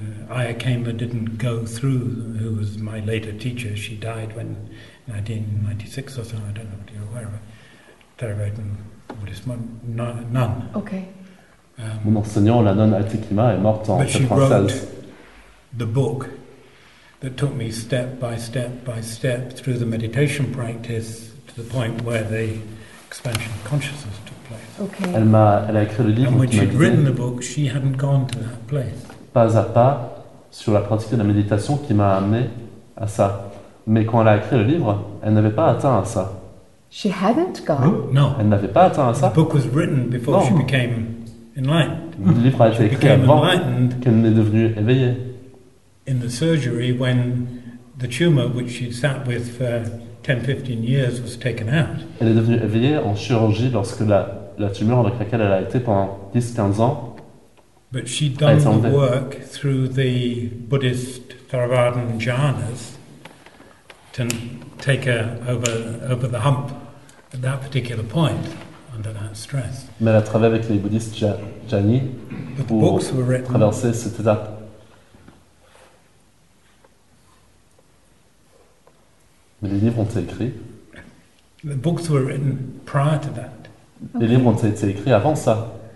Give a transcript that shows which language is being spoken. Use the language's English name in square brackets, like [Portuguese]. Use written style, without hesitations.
[English] Aya Kama didn't go through, who was my later teacher, she died when... 1996 or so, I don't know if you're aware of it. Theravada Buddhist nun. Okay. [French] Mon enseignant, la nonne Atikima, est morte en 1996. [English] She wrote the book that took me step by step by step through the meditation practice to the point where the expansion of consciousness took place. Okay. [French] Elle a écrit le livre. [English] And when she'd written the book, she hadn't gone to that place. [French] Pas à pas sur la pratique de la méditation qui m'a amené à ça. Mais quand elle a écrit le livre, elle n'avait pas atteint à ça. [English] She hadn't gone. No. [French] Elle n'avait pas atteint ça. [English] The book was written before she became enlightened. [French] Le livre a été écrit avant qu'elle n'est devenue éveillée. [English] In the surgery, when the tumor which she sat with for 10-15 years was taken out. [French] Elle est devenue éveillée en chirurgie lorsque la tumeur avec laquelle elle a été pendant 10-15 ans. [English] But she'd done the work through the Buddhist Theravadan jhanas to take her over the hump at that particular point under that stress. [French] Mais elle a travaillé avec les bouddhistes jhani pour traverser cette étape. Mais les livres ont été écrits. [English] The books were written prior to that. [French] Les livres ont été écrits avant ça.